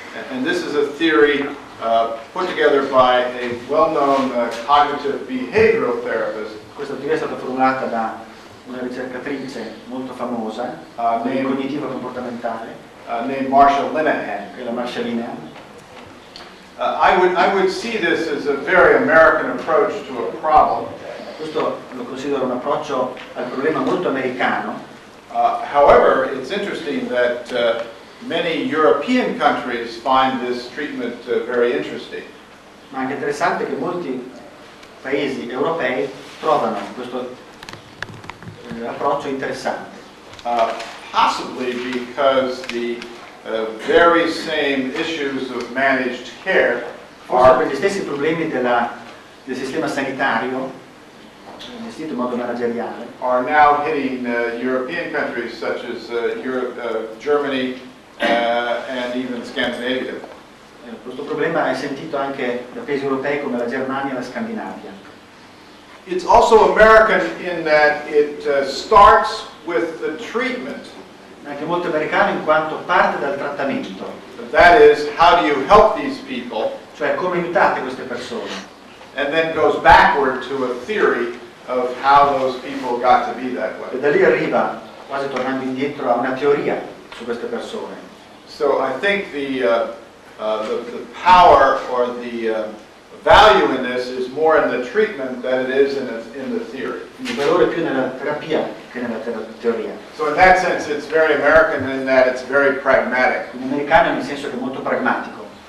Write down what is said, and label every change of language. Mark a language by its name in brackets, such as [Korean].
[English] And this is a theory put together by a well-known cognitive behavioral therapist. [Italian] Questa teoria è stata formulata da una ricercatrice molto famosa, cognitiva comportamentale, [English] named Marsha Linehan. [Italian] Quella Marsha Linehan. [English] I would see this as a very American approach to a problem. [Italian] Questo lo considero un approccio al problema molto americano. [English] However, it's interesting that many European countries find this treatment very interesting. [Italian] Ma è anche interessante che molti paesi europei trovano questo approccio interessante. [English] Possibly because the very same issues of managed care [Italian] are per gli stessi problemi del sistema sanitario gestito in modo manageriale [English] are now hitting European countries such as Germany and even Scandinavia. [Italian] Questo problema è sentito anche da paesi europei come la Germania e la Scandinavia. [English] It's also American in that it starts with the treatment. [Italian] Anche molto americano in quanto parte dal trattamento. [English] That is, how do you help these people? [Italian] Cioè, come aiutate queste persone? [English] And then goes backward to a theory of how those people got to be that way. [Italian] E da lì arriva, quasi tornando indietro, a una teoria su queste persone. [English] So I think the power or the value in this is more in the treatment than it is in the theory. [Italian] Il valore più nella terapia che nella teoria. [English] So in that sense it's very American in that it's very pragmatic. [Italian] In americano nel senso che è molto pragmatico.